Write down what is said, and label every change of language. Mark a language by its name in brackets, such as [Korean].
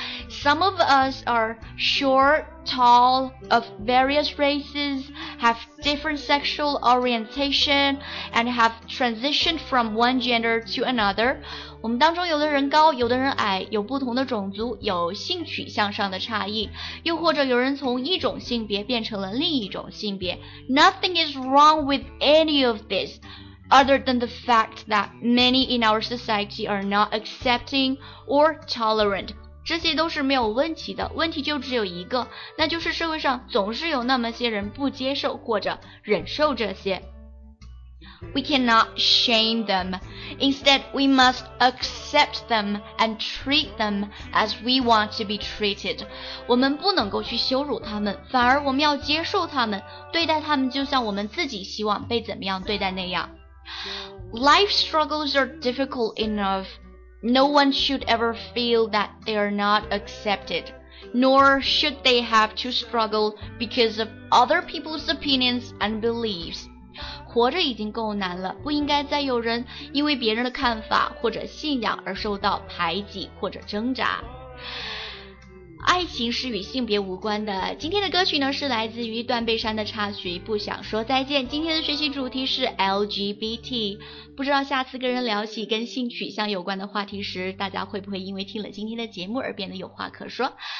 [English] Some of us are short, tall, of various races, have different sexual orientation, and have transitioned from one gender to another. [Chinese] 我们当中有的人高，有的人矮，有不同的种族，有性取向上的差异，又或者有人从一种性别变成了另一种性别。 [English] Nothing is wrong with any of this. Other than the fact that many in our society are not accepting or tolerant. [Chinese] 这些都是没有问题的，问题就只有一个，那就是社会上总是有那么些人不接受或者忍受这些。 [English] We cannot shame them. Instead, we must accept them and treat them as we want to be treated. [Chinese] 我们不能够去羞辱他们，反而我们要接受他们，对待他们就像我们自己希望被怎么样对待那样。 [English] Life struggles are difficult enough. No one should ever feel that they are not accepted, nor should they have to struggle because of other people's opinions and beliefs. [Chinese] 活着已经够难了，不应该再有人因为别人的看法或者信仰而受到排挤或者挣扎。I 爱情是与性别无关的。今天的歌曲呢，是来自于断背山的插曲《不想说再见》。今天的学习主题是 LGBT， 不知道下次跟人聊起跟性取向有关的话题时，大家会不会因为听了今天的节目而变得有话可说。